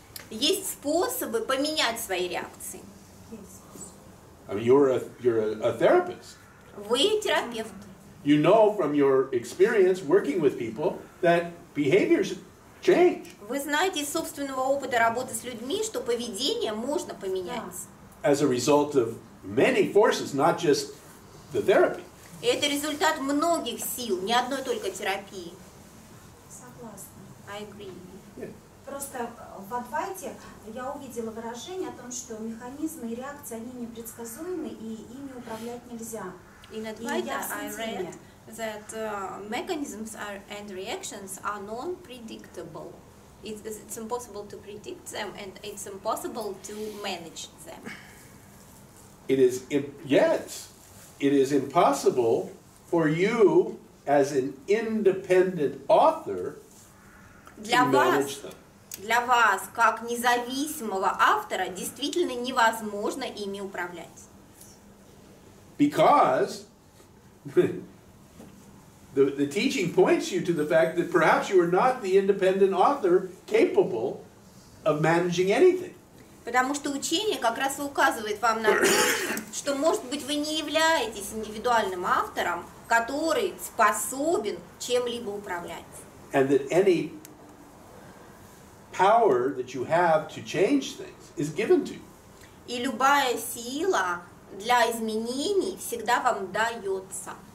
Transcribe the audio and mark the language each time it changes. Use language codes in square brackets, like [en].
[ru] Есть способы поменять свои реакции. [en] I mean, you're a therapist. [ru] Вы терапевт. [en] You know from your experience working with people that behaviors change. [ru] Вы знаете из собственного опыта работы с людьми, что поведение можно поменять. [en] As a result of many forces, not just the therapy. [ru] Это результат многих сил, не одной только терапии. Согласна. [en] I agree. Yeah. [ru] Просто в Адвайте я увидела выражение о том, что механизмы и реакции, они непредсказуемы, и ими управлять нельзя. [en] In Advaita, I read that mechanisms and reactions are non-predictable. It's impossible to predict them, and it's impossible to manage them. It is impossible for you as an independent author [ru] для [en] to manage them. [ru] Для вас, как независимого автора, действительно невозможно ими управлять. [en] Because the teaching points you to the fact that perhaps you are not the independent author capable of managing anything. [ru] Потому что учение как раз и указывает вам на то, что, может быть, вы не являетесь индивидуальным автором, который способен чем-либо управлять. [en] And that any power that you have to change things is given to you. [ru] И любая сила для изменений всегда вам дается.